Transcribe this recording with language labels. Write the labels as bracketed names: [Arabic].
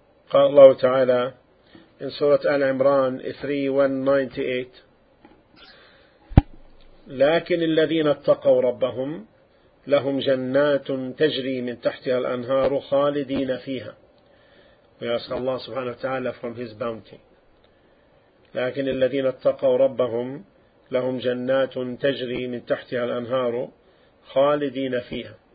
[Arabic] قال الله تعالى in Surah Al-Imran 3:198. لكن الذين اتقوا ربهم لهم جنات تجري من تحتها الأنهار خالدين فيها. [English] We ask Allah subhanahu wa ta'ala from His bounty. [Arabic] لكن الذين اتقوا ربهم لهم جنات تجري من تحتها الأنهار خالدين فيها.